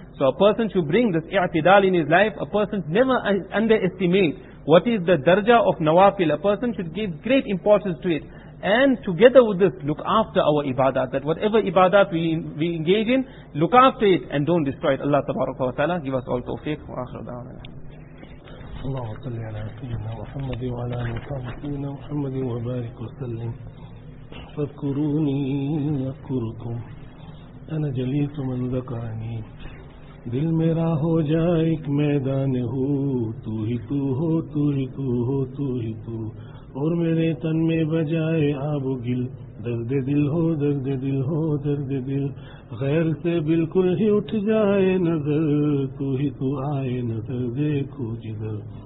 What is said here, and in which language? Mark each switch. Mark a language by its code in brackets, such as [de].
[en] So a person should bring this i'tidal in his life. A person never underestimate what is the darja of nawafil. A person should give great importance to it. And together with this, look after our ibadat. That whatever ibadat we engage in, look after it and don't destroy it. Allah Tabaraka wa Ta'ala give us all tawfiq. [ar] Wa akhiru da'wana. اللهم صل على سيدنا محمد وعلى آل سيدنا محمد وبارك وسلم. فاذكروني يذكركم انا جليس من ذكرني. [ur] دل میرا ہو جائے ایک میدان ہو تو ہی تو ہو تو ہی تو ہو تو ہی تو اور میرے تن میں بجائے آب و گل. درد دل ہو درد دل ہو درد دل غیر سے بالکل ہی اٹھ جائے نظر تو ہی تو آئے نظر دیکھو جدر.